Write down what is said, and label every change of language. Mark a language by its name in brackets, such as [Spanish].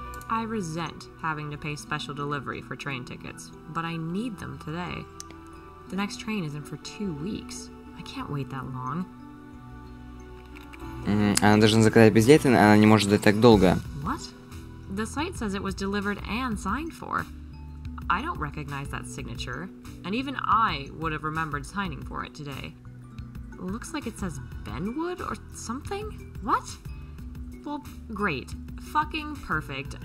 [English] I resent having to pay special delivery for train tickets, but I need them today. The next train isn't for 2 weeks. I can't wait that long. [Russian] Она должна заказать билеты, она не может ждать так долго. [English] What? The site says it was delivered and signed for. I don't recognize that signature, and even I would have remembered signing for it today. Looks like it says Benwood or something? What? Well, great. Fucking perfect.